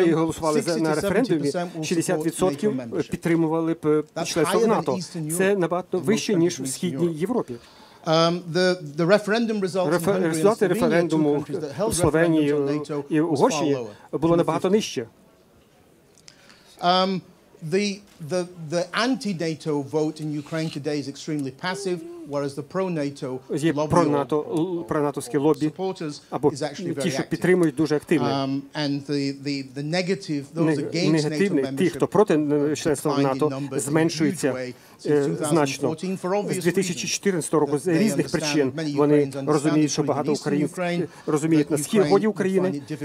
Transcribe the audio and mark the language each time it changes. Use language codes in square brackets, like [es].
[uk] і голосували на референдумі, 60% підтримували б членство в НАТО. Це набагато вище, ніж в Східній Європі. [en] The referendum [uk] результати референдуму в Словенії і Угорщині було набагато нижче. [en] The anti-NATO vote in Ukraine today is extremely passive, whereas the pro-NATO lobby [uk] pro-NATO-вські лобі або ті, що підтримують, дуже активні. [en] And the negative, those against [uk] негативні, [en] NATO [uk] ті, хто проти членства в НАТО, зменшується значно. З 2014 року з різних причин вони розуміють, що багато українців розуміють на сході України.